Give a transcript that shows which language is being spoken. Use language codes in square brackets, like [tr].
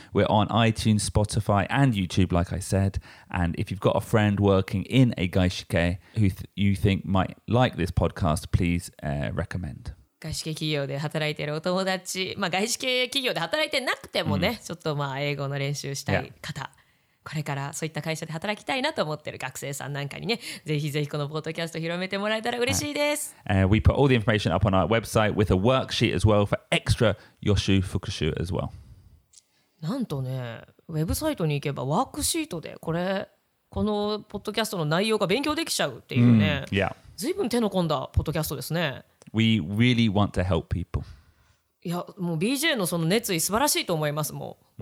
[en] We're on iTunes, Spotify and YouTube, like I said. And if you've got a friend working in a gaishike who you think might like this podcast, please recommend. [ja] 外資系企業で働いているお友達、まあ外資系企業で働いてなくてもね、ちょっとまあ英語の練習したい方、これからそういった会社で働きたいなと思ってる学生さんなんかにね、ぜひぜひこのポッドキャスト広めてもらえたら嬉しいです。 [en] We put all the information up on our website with a worksheet as well for extra 予習復習 as well. [ja] なんとね、ウェブサイトに行けばワークシートでこれこのポッドキャストの内容が勉強できちゃうっていうね。ずいぶん手の込んだポッドキャストですね。 [en] We really want to help people. [ja] いや、もう BJ のその熱意素晴らしいと思いますもん。